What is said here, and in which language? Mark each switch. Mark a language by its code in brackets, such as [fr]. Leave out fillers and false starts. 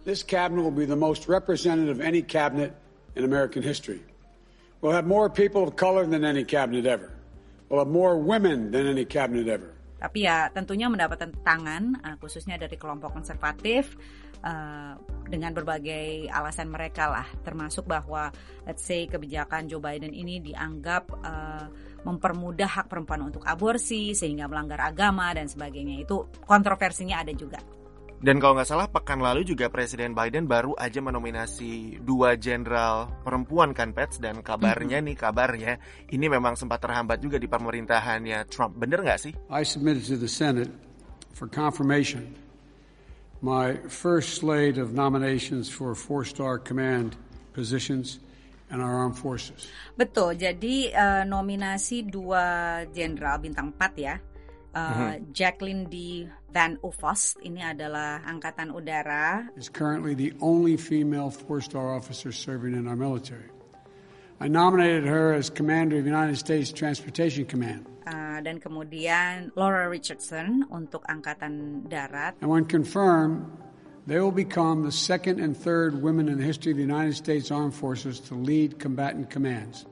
[en] This cabinet will be the most representative of any cabinet in American history. We'll have more people of color than any cabinet ever. Well, more women than any cabinet ever. [id] Tapi ya tentunya mendapat tantangan khususnya dari kelompok konservatif dengan berbagai alasan mereka lah, termasuk bahwa [en] let's say [id] kebijakan Joe Biden ini dianggap mempermudah hak perempuan untuk aborsi sehingga melanggar agama dan sebagainya. Itu kontroversinya ada juga. Dan kalau nggak salah, pekan lalu juga Presiden Biden baru aja menominasi 2 jenderal perempuan kan, Pets? Dan kabarnya nih, kabarnya, ini memang sempat terhambat juga di pemerintahannya Trump. Bener nggak sih? [en] I submitted to the Senate for confirmation my first slate of nominations for 4-star command positions and our armed forces. [id] Betul, jadi nominasi 2 jenderal bintang 4 ya. Jacqueline D. Van Uffost, ini adalah Angkatan Udara. [en] Is currently the only female 4-star officer serving in our military. I nominated her as commander of United States Transportation Command. [id] Dan kemudian Laura Richardson untuk Angkatan Darat. [en] And when confirmed, They will become the second and third women in the history of the United States Armed Forces to lead combatant commands.